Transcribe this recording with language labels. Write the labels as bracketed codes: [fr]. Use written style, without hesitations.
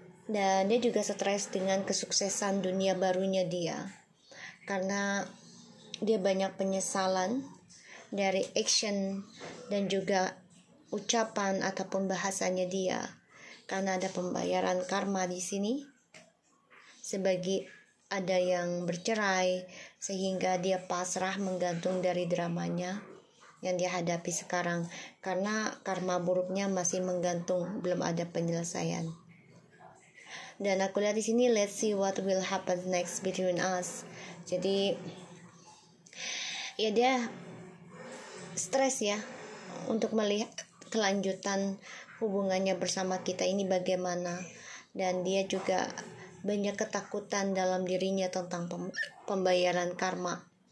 [id] Dan dia juga stres dengan kesuksesan dunia barunya dia karena dia banyak penyesalan dari action dan juga ucapan ataupun bahasanya dia, karena ada pembayaran karma di sini. Sebagai ada yang bercerai sehingga dia pasrah menggantung dari dramanya yang dia hadapi sekarang karena karma buruknya masih menggantung, belum ada penyelesaian. Dan aku lihat di sini, [en] let's see what will happen next between us. [id] Jadi ya dia stres ya untuk melihat kelanjutan hubungannya bersama kita ini bagaimana, dan dia juga banyak ketakutan dalam dirinya tentang pembayaran karma.